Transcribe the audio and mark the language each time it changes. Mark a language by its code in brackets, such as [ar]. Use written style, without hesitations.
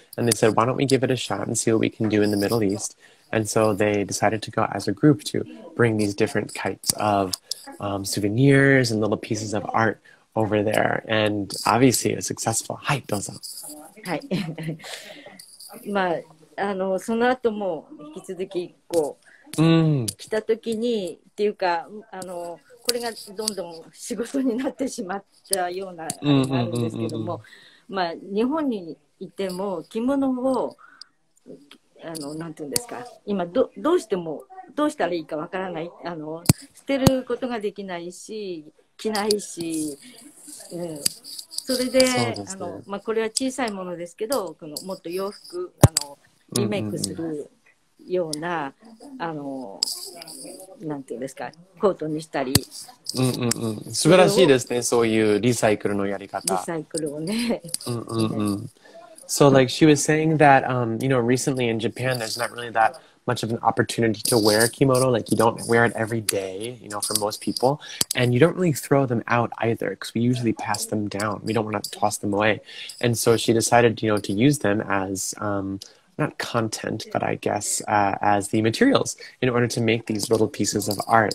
[en] And they said, why don't we give it a shot and see what we can do in the Middle East? And so they decided to go as a group to bring these different kinds of souvenirs and little pieces of art over there. And obviously, it was successful. [ja] はい、どうぞ。はい。まあ、あのその後も引き続きこう、うん、来た時にっていうかあのこれがどんどん仕事になってしまったようなあれなんですけども、うんうんうんうん、まあ日本にいても着物をあのなんていうんですか今どうしてもどうしたらいいかわからない、あの捨てることができないし着ないし、うん、それで、そうですね、あの、まあ、これは小さいものですけど、このもっと洋服あのリメイクするような、うんうんうん、あのなんていうんですか、コートにしたり、うんうんうん、素晴らしいですね、そういうリサイクルのやり方、リサイクルをね、うんうんうん。 [en] So like she was saying that, you know, recently in Japan, there's not really that much of an opportunity to wear a kimono. Like you don't wear it every day, you know, for most people. And you don't really throw them out either because we usually pass them down. We don't want to toss them away. And so she decided, you know, to use them as, not content, but I guess, as the materials in order to make these little pieces of art.